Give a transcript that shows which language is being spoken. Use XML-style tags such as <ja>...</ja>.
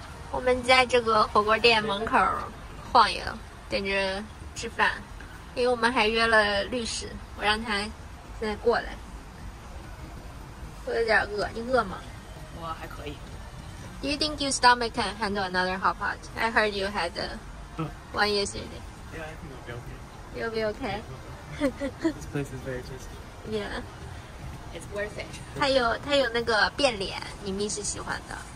<zh>我们在这个火锅店门口晃悠，等着吃饭，因为我们还约了律师，我让他现在过来。我有点饿，你饿吗？我还可以。</zh> <en>Do you think your stomach can handle another hot pot? I heard you had one yesterday. Yeah, I think it'll be okay. You'll be okay. This place is very tasty. Yeah, it's worth it.</en> <zh>它有那个变脸，你蜜是喜欢的。</zh>